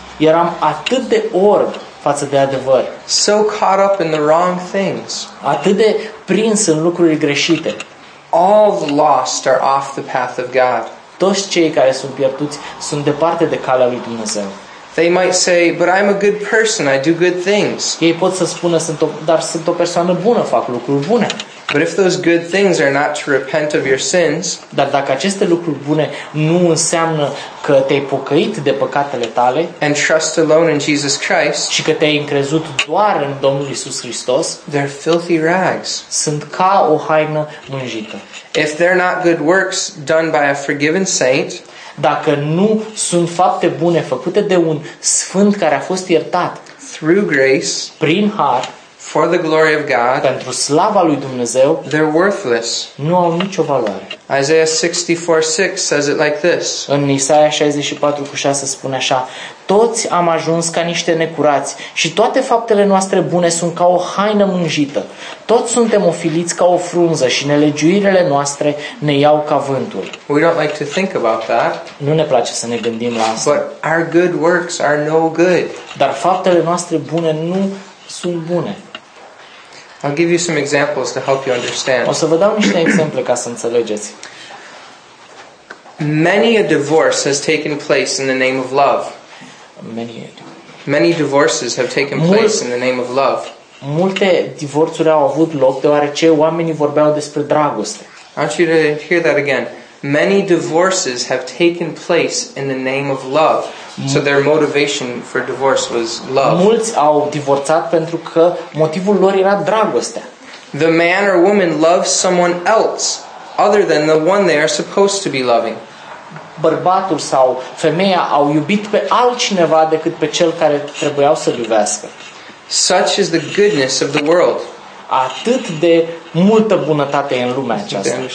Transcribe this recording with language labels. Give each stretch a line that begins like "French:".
Romanian: Eram atât de orb față de adevăr.
English: So caught up in the wrong things.
Romanian: Atât de prins în lucruri greșite.
English: All the lost are off the path of God.
Romanian: Toți cei care sunt pierduți sunt departe de calea lui Dumnezeu.
English: They might say, but I'm a good person, I do good things.
Romanian: Ei pot să spună, dar sunt o persoană bună, fac lucruri bune.
English: But if those good things are not to repent of your sins,
Romanian: dar dacă aceste lucruri bune nu înseamnă că te-ai pocăit de păcatele tale,
English: and trust alone in Jesus Christ,
Romanian: și că te-ai încrezut doar în Domnul Iisus Hristos,
English: they're filthy rags.
Romanian: Sunt ca o haină mânjită.
English: If they're not good works done by a forgiven saint,
Romanian: dacă nu sunt fapte bune făcute de un sfânt care a fost iertat,
English: through grace,
Romanian: prin har,
English: for the glory of God,
Romanian: pentru slava lui Dumnezeu,
English: they're worthless.
Romanian: Nu au nicio valoare.
English: Isaiah 64:6 says it like this.
Romanian: În Isaia 64:6 spune așa: toți am ajuns ca niște necurați și toate faptele noastre bune sunt ca o haină mânjită. Toți suntem ofiliți ca o frunză și nelegiuirile noastre ne iau ca vântul.
English: We don't like to think about that.
Romanian: Nu ne place să ne gândim la asta.
English: But our good works are no good.
Romanian: Dar faptele noastre bune nu sunt bune.
English: I'll give you some examples to help you understand.
Romanian: O să vă dau niște exemple ca să înțelegeți.
English: Many a divorce has taken place in the name of love. Many divorces have taken place in the name of love.
Romanian: Multe divorțuri au avut loc deoarece oamenii vorbeau despre dragoste.
English: I want you to hear that again. Many divorces have taken place in the name of love. So their motivation for divorce was love.
Romanian: Mulți au divorțat pentru că motivul lor era dragostea.
English: The man or woman loves someone else other than the one they are supposed to be loving.
Romanian: Bărbatul sau femeia au iubit pe altcineva decât pe cel care trebuiau să-l iubească.
English: Such is the goodness of the world.
Romanian: Atât de multă bunătate e în lumea aceasta.